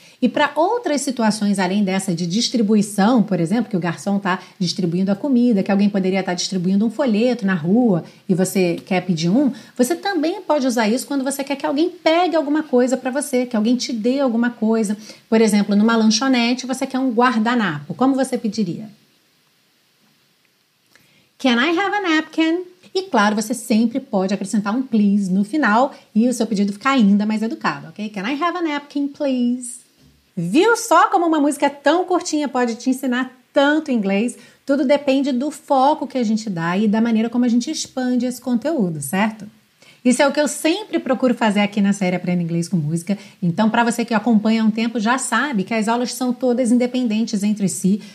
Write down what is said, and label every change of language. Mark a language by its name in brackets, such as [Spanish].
[Portuguese] E para outras situações além dessa de distribuição, por exemplo, que o garçom está distribuindo a comida, que alguém poderia estar distribuindo um folheto na rua e você quer pedir um, você também pode usar isso quando você quer que alguém pegue alguma coisa para você, que alguém te dê alguma coisa. Por exemplo, numa lanchonete, você quer um guardanapo. Como você pediria? [English] Can I have a napkin? [Portuguese] E claro, você sempre pode acrescentar um please no final e o seu pedido ficar ainda mais educado, ok? [English] Can I have a napkin, please? [Portuguese] Viu só como uma música tão curtinha pode te ensinar tanto inglês? Tudo depende do foco que a gente dá e da maneira como a gente expande esse conteúdo, certo? Isso é o que eu sempre procuro fazer aqui na série Aprenda Inglês com Música. Então, para você que acompanha há um tempo, já sabe que as aulas são todas independentes entre si.